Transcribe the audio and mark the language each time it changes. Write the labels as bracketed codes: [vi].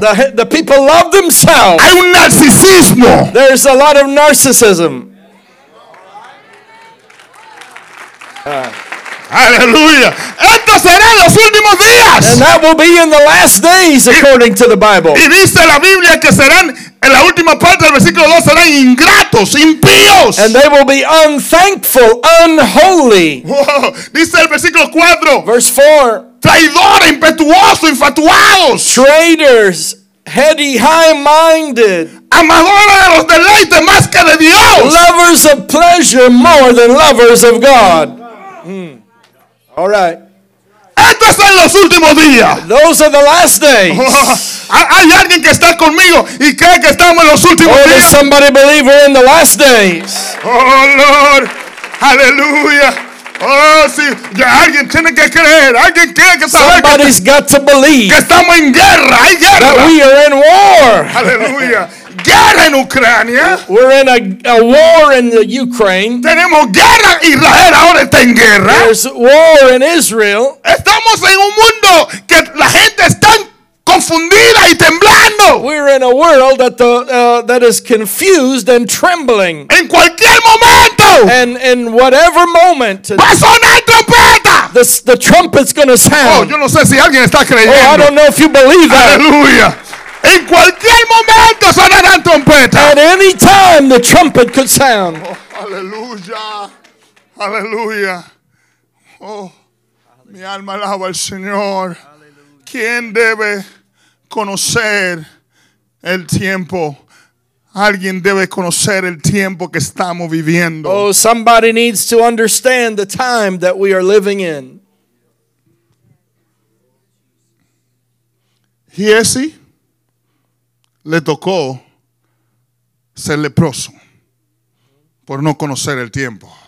[en] The people love themselves. [es] Hay un narcisismo. [en] There's a lot of narcissism. [es] Aleluya. Estos serán los últimos días. [en] And that will be in the last days, according to the Bible. [es] Y dice la Biblia que serán en la última parte del versículo 2 serán ingratos, impíos. [en] And they will be unthankful, unholy. [es] Whoa. Dice el versículo 4. [en] Verse 4. [es] Traidores, impetuosos, infatuados. [en] Traitors, heady, high-minded. [es] Amadores de los deleites más que de Dios. [en] Lovers of pleasure more than lovers of God. All right. [es] Estos son los últimos días. [en] Those are the last days. [es] Hay alguien que está conmigo y cree que estamos en los últimos días. [en] Or does somebody believe we're in the last days? Oh Lord, hallelujah. Oh, sí. [es] Ya alguien tiene que creer. Alguien tiene que saber. [en] Somebody's got to believe. [es] Que estamos en guerra. Hay guerra. [en] That we are in war. [es] Hallelujah. Guerra en Ucrania. [en] We're in a war in the Ukraine. [es] Tenemos guerra. Israel ahora está en guerra. [en] There's war in Israel. [es] Estamos en un mundo que la gente está confundida y temblando. [en] We're in a world that that is confused and trembling. [es] En cualquier momento. [en] And in whatever moment. [es] Va a sonar trompeta. [en] The trumpet's gonna sound. [es] Oh, yo no sé si alguien está creyendo. [en] Oh, I don't know if you believe that. [es] Aleluya. En cualquier momento sonarán trompetas. [en] At any time the trumpet could sound. [es] Oh, aleluya. Aleluya. Oh, mi alma alaba al Señor. ¿Quién debe conocer el tiempo? Alguien debe conocer el tiempo que estamos viviendo. [en] Oh, somebody needs to understand the time that we are living in. [es] Jesse le tocó ser leproso por no conocer el tiempo.